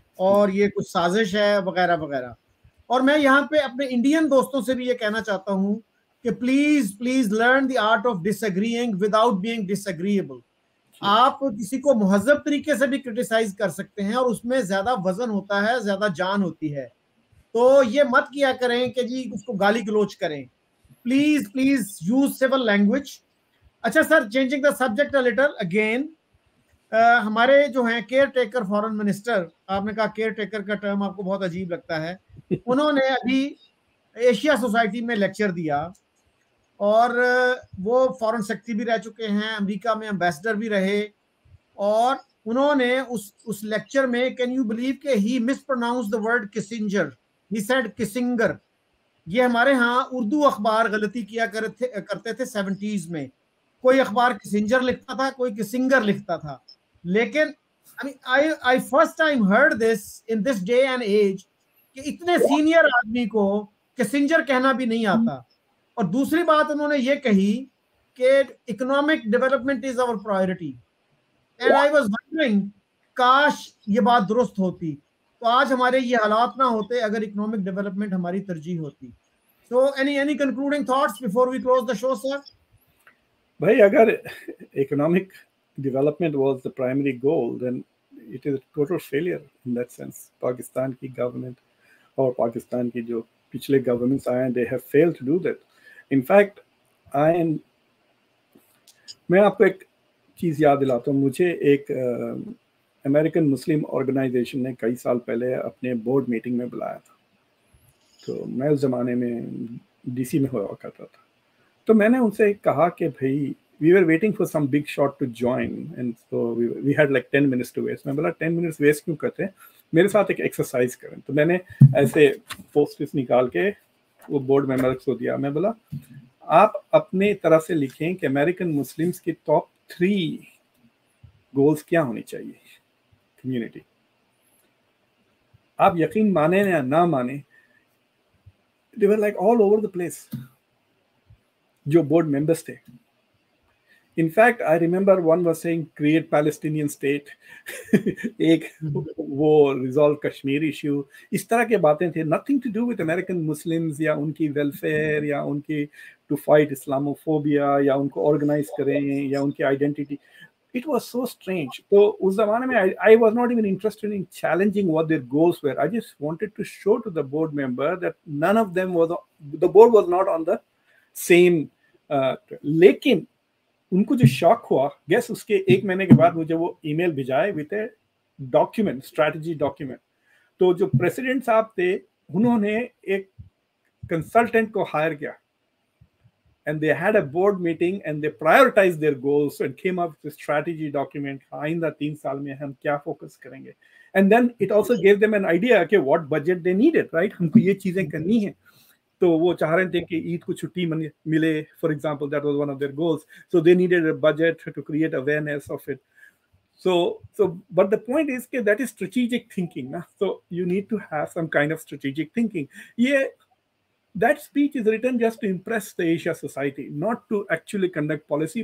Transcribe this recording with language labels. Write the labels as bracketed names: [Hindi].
[Urdu] اور یہ کچھ سازش ہے وغیرہ وغیرہ. اور میں یہاں پہ اپنے انڈین دوستوں سے بھی یہ کہنا چاہتا ہوں کہ [English] Please please learn the art of disagreeing without being disagreeable. [Urdu] آپ کسی کو مہذب طریقے سے بھی کریٹیسائز کر سکتے ہیں اور اس میں زیادہ وزن ہوتا ہے, زیادہ جان ہوتی ہے. تو یہ مت کیا کریں کہ جی اس کو گالی گلوچ کریں. [English] Please please use civil language. [Urdu] اچھا سر, [English] changing the subject little again, [Urdu] ہمارے جو ہیں کیئر ٹیکر فورن منسٹر, آپ نے کہا کیئر ٹیکر کا ٹرم آپ کو بہت عجیب لگتا ہے, انہوں نے ابھی ایشیا سوسائٹی میں لیکچر دیا اور وہ فورن سیکرٹری بھی رہ چکے ہیں, امریکہ میں امبیسڈر بھی رہے, اور انہوں نے اس لیکچر میں, [English] Can you believe کہ he mispronounce the word Kissinger, he said Kissinger. [Urdu] یہ ہمارے ہاں اردو اخبار غلطی کیا کرتے تھے 70s میں, کوئی اخبار کسنجر لکھتا تھا, کوئی کسنگر لکھتا تھا. [English] لیکن I first time heard this in this day and age [Urdu] کہ اتنے سینئر آدمی کو کسنجر کہنا بھی نہیں آتا. اور دوسری بات انہوں نے یہ کہی کہ اکنامک ڈیولپمنٹ [English] is our priority, and I was wondering [Urdu] کاش یہ بات درست ہوتی تو آج ہمارے یہ حالات نہ ہوتے اگر اکنامک ڈیولپمنٹ ہماری ترجیح ہوتی. [English] So any concluding thoughts before we close the show sir? بھائی اگر economic development was the primary goal then it is a total failure in that sense. [Urdu] Pakistan کی گورنمنٹ اور پاکستان کی جو پچھلے گورنمنٹس آئے ہیں [English] They have failed to do that. [Urdu] In fact میں آپ کو ایک چیز یاد دلاتا ہوں. مجھے ایک امریکن مسلم آرگنائزیشن نے کئی سال پہلے اپنے بورڈ میٹنگ میں بلایا تھا, تو میں اس زمانے میں ڈی سی میں ہوا کرتا تھا. تو میں نے ان سے کہا کہ بھائی [English] We are waiting for some big shot to join, and so we had like 10 minutes to waste. [Urdu] میں بولا 10 minutes ویسٹ کیوں کرتے ہیں, میرے ساتھ ایک ایکسرسائز کریں. تو میں نے ایسے پوسٹس نکال کے وہ بورڈ ممبرس کو دیا. میں بولا آپ اپنے طرف سے لکھیں کہ امریکن مسلمس کی ٹاپ 3 گولس کیا ہونی چاہیے کمیونٹی. آپ یقین مانیں یا نہ مانیں, [English] they were like all over the place [Urdu] جو بورڈ ممبرس تھے. [English] In fact, I remember one was saying create Palestinian state, ایک وہ resolve Kashmir issue, [Urdu] اس طرح کے باتیں تھے. [English] Nothing to do with American Muslims [Urdu] یا ان کی ویلفیئر یا ان کی ٹو فائٹ اسلاموفوبیا یا ان کو آرگنائز کریں یا ان کی identity. [English] It was so strange. [Urdu] تو اس زمانے میں [English] I was not even interested in challenging what their goals were. I just wanted to show to the board member that none of them was the board was not on the same. [Urdu] لیکن ان کو جو شاک ہوا gas, اس کے ایک مہینے کے بعد مجھے وہ ای میل بھیجائے [English] with a document, [Urdu] strategy document. تو جو پریسیڈنٹ صاحب تھے انہوں نے ایک کنسلٹنٹ کو ہائر کیا, [English] And they had a board meeting and they prioritize their goals and came up with strategy document. [Urdu] آئندہ 3 سال میں ہم کیا فوکس کریں گے, [English] And then it also gave them an idea کہ what budget they needed. [Urdu] Right, ہم کو یہ چیزیں کرنی ہیں. تو وہ چاہ رہے تھے کہ عید کو چھٹی ملے, [English] For example that was one of their goals. So they needed a budget to create awareness of it. So but the point is کہ that is strategic thinking نا. So you need to have some kind of strategic thinking. یہ that speech is written just to impress the Asia Society, not to actually conduct policy.